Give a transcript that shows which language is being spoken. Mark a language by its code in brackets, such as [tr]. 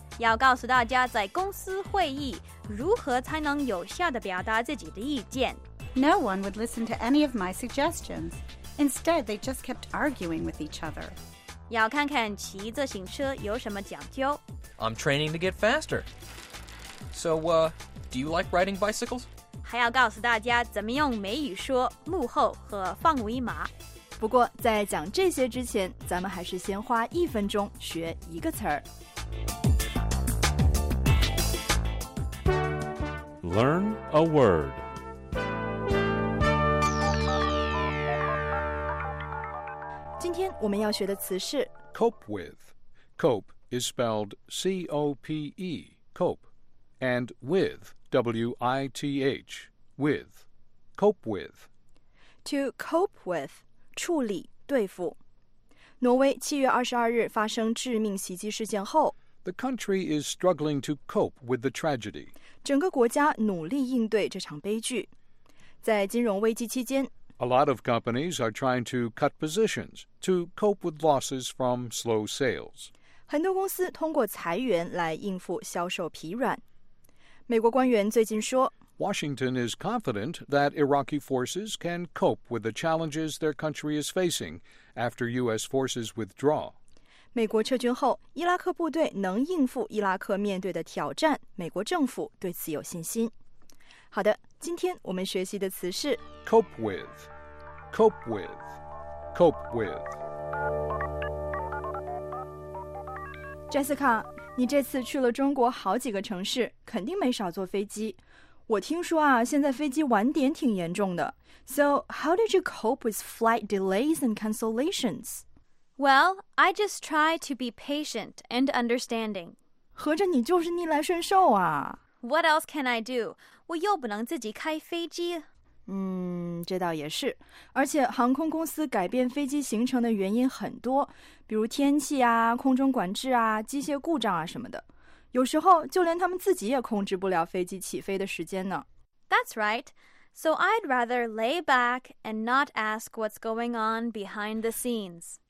[zh] 要告诉大家在公司会议如何才能有效地表达自己的意见。 [en] No one would listen to any of my suggestions. Instead, they just kept arguing with each other. [zh] 要看看骑自行车有什么讲究。 [en] I'm training to get faster. So, do you like riding bicycles? [zh] 还要告诉大家怎么用美语说幕后和放尾马。不过在讲这些之前，咱们还是先花一分钟学一个词儿。 [en] Learn a word. Today, [zh] 我们要学的词是 [en] cope with. Cope is spelled C-O-P-E, cope, and with, W-I-T-H, with, cope with. To cope with, [zh] 处理、对付。挪威7月22日发生致命袭击事件后， [en] The country is struggling to cope with the tragedy. [zh] 整个国家努力应对这场悲剧。在金融危机期间， [en] A lot of companies are trying to cut positions to cope with losses from slow sales. [zh] 很多公司通过裁员来应付销售疲软。美国官员最近说， [en] Washington is confident that Iraqi forces can cope with the challenges their country is facing after U.S. forces withdraw. [zh] 美国撤军后，伊拉克部队能应付伊拉克面对的挑战，美国政府对此有信心。好的，今天我们学习的词是 [en] cope with, cope with, cope with. [zh] Jessica, 你这次去了中国好几个城市，肯定没少坐飞机。我听说啊，现在飞机晚点挺严重的。 [en] So, how did you cope with flight delays and cancellations? Well, I just try to be patient and understanding. [zh] 合着你就是逆来顺受啊。 [en] What else can I do? [zh] 我又不能自己开飞机。这倒也是。而且航空公司改变飞机行程的原因很多，比如天气啊、空中管制啊、机械故障啊什么的。有时候就连他们自己也控制不了飞机起飞的时间呢。 [en] That's right. So I'd rather lay back and not ask what's going on behind the scenes.